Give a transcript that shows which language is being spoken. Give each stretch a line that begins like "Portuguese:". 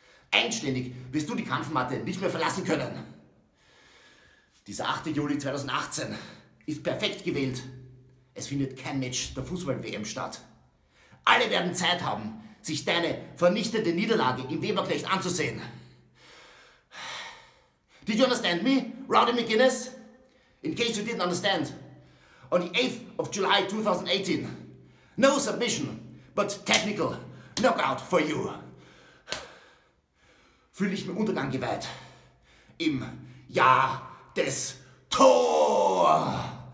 German: Einständig wirst du die Kampfmatte nicht mehr verlassen können. Dieser 8. Juli 2018 ist perfekt gewählt. Es findet kein Match der Fußball-WM statt. Alle werden Zeit haben, sich deine vernichtete Niederlage im Weberknecht anzusehen.
English: Did you understand me, Rowdy McGuines? In case you didn't understand, on the 8th of July 2018, no submission, but technical knockout for you.
German: Fühle ich mir Untergang geweiht im Jahr des Thor.